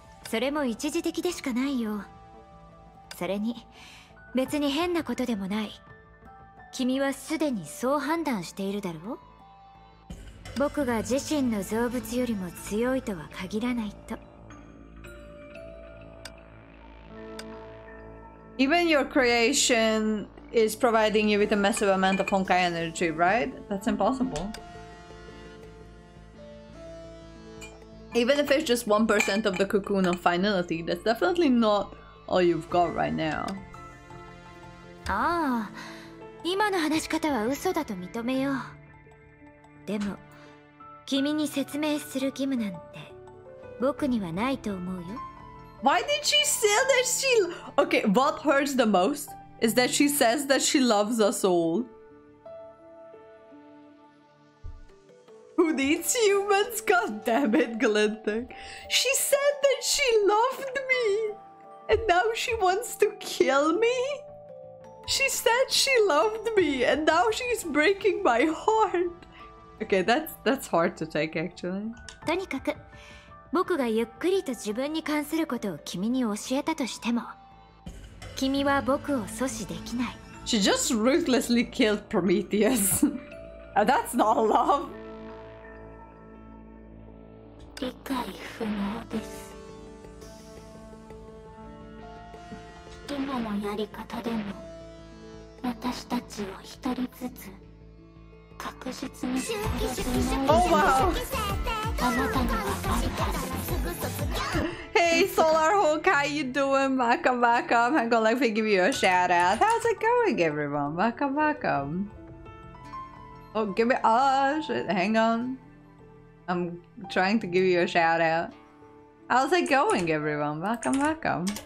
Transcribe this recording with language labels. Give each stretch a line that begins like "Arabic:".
Japanese: それも一時的でしかないよ。それに別に変なことでもない。君はすでにそう判断しているだろう。僕が自身の造物よりも強いとは限らないと。
English: Even your creation is providing you with a massive amount of Honkai energy, right? That's impossible. Even if it's just 1% of the cocoon of finality, that's definitely not. All you've got right now.
Japanese: ああ、今の話し方は嘘だと認めよう。でも、君に説明する義務なんて僕にはないと思うよ。
English: Why did she say that she? Okay, what hurts the most is that she says that she loves us all. Who needs humans? God damn it, Glintek. She said that she loved me.And now she wants to kill me? She said she loved me and now she's breaking my heart. Okay, that's hard to take actually.
Japanese: とにかく、僕がゆっくりと自分に関することを君に教えたとしても、君は僕を阻止できない。
English: She just ruthlessly killed Prometheus. That's not love.
Japanese: 理解不能です。今のやり方でも、私たちを一人ずつ確実に殺せるのです。
English: Oh wow.
Japanese: あなたにはあるはずです。
English: Hey Solar Hulk, how you doing? Welcome, welcome. I'm gonna let me give you a shout out. How's it going, everyone? Welcome, welcome. Oh, give me. Oh, shit. Hang on. I'm trying to give you a shout out. How's it going, everyone? Welcome, welcome.